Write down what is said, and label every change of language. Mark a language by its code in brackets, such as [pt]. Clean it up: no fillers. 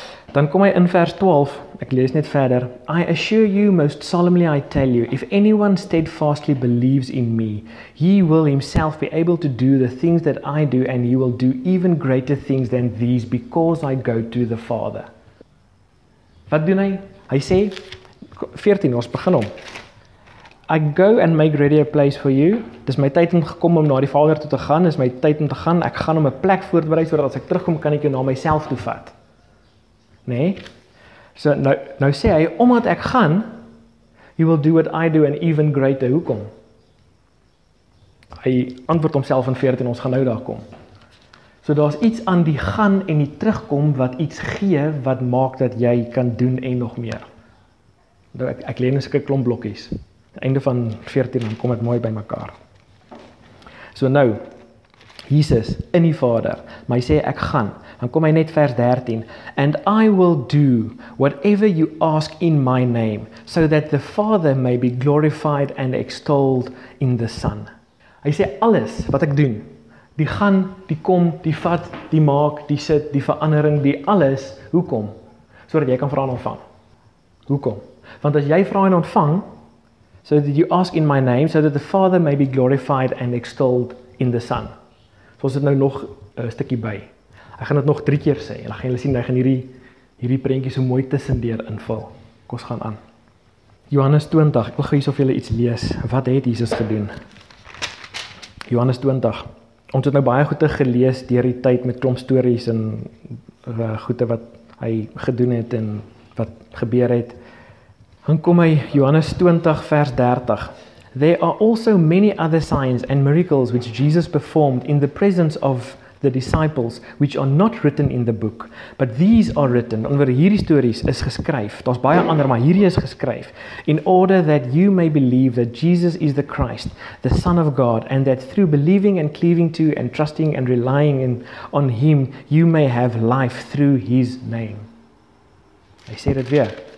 [af] Dan kom hy in vers 12, ek lees net verder. [en] I assure you, most solemnly I tell you, if anyone steadfastly believes in me, he will himself be able to do the things that I do, and he will do even greater things than these, because I go to the Father. [af] Wat doen hy? Hy sê, 14, ons begin om. [en] I go and make ready a place for you. [af] Dis my tyd om gekom om na die Vader toe te gaan, dis my tyd om te gaan. Ek gaan om 'n plek voorberei, sodat as ek terugkom, kan ek jou na myself toe vat. Nee. So nou sê hy, omdat ek gaan, [en] you will do what I do and even greater. [af] Hoekom? Hy antwoord homself in 14, ons gaan nou daar kom. So daar's iets aan die gaan en die terugkom wat iets gee wat maak dat jy kan doen en nog meer. Nou ek leen 'n sekere klomp blokkies. Einde van 14, dan kom dit mooi by mekaar. So nou, Jesus in die Vader, maar hy sê ek gaan. Dan kom hy net vers 13. [en] And I will do whatever you ask in my name, so that the Father may be glorified and extolled in the Son. [af] Hy sê alles wat ek doen, die gaan, die kom, die vat, die maak, die sit, die verandering, die alles, hoekom? Sodat jy kan vra en ontvang. Hoekom? Want as jy vra en ontvang, [en] so that you ask in my name, so that the Father may be glorified and extolled in the Son. [af] So ons het nou nog 'n stukkie by. Ek gaan dit nog 3 keer sê. En dan gaan julle sien, hy gaan hierdie prentjie so mooi tussendeur invul. Kom ons gaan aan. Johannes 20. Ek wil gou hiersof julle iets lees. Wat het Jesus gedoen? Johannes 20. Ons het nou baie goeie gelees deur die tyd met klomp stories en goeie wat hy gedoen het en wat gebeur het. Dan kom hy Johannes 20 vers 30. [en] There are also many other signs and miracles which Jesus performed in the presence of the disciples, which are not written in the book, but these are written, [af] onder hierdie stories is geskryf, [en] daar's baie ander, maar hierdie is geskryf, in order that you may believe that Jesus is the Christ, the Son of God, and that through believing and cleaving to and trusting and relying on Him, you may have life through His name. [af] Hy sê dit weer.